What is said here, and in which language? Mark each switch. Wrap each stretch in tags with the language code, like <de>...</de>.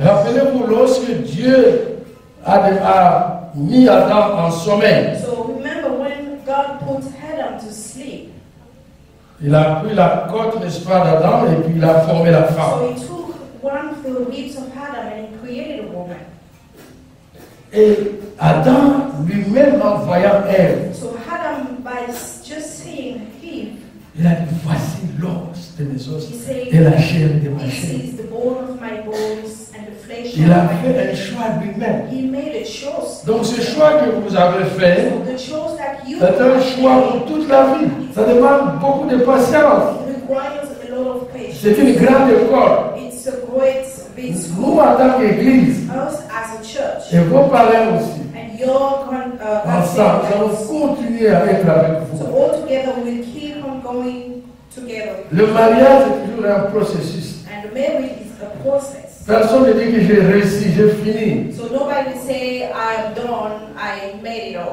<fr>Rappelez-vous lorsque Dieu a mis Adam en sommeil.</fr> <en>So remember when God put Adam to sleep.</en> <fr>Il a pris la côte, n'est-ce pas, d'Adam et puis il a formé la femme.</fr> <en>So he took one of the ribs of Adam and he created a woman.</en> <fr>Et Adam lui-même en voyant Eve.</fr> <en>So Adam by just seeing Eve.</en> <fr>Il a dit, voici l'homme.</fr> <en>He said,</en> <fr>et la chair de ma chair.</fr> <en>This is the bone of my bones and the flesh.</en> <fr>Il a fait un choix lui-même.</fr> <en>He made a choice.</en> <fr>Donc ce choix que vous avez fait, c'est un choix pour toute la vie. Ça demande beaucoup de patience.</fr> <en>It requires a lot of patience.</en> <fr>C'est une grande école.</fr> <en>It's a great big school.</en> <fr>Nous en tant qu'église,</fr> <en>us as a church,</en> <fr>et vos parents aussi,</fr> <en>and your</en> <fr>ensemble, nous allons continuer à être avec vous.</fr> <en>So all together we will keep on going.</en> <fr>Le mariage est toujours un processus.</fr> <en>And marriage is a process.</en> <fr>Personne ne dit que j'ai réussi, j'ai fini.</fr> <en>So nobody say I'm done, I made it all.</en>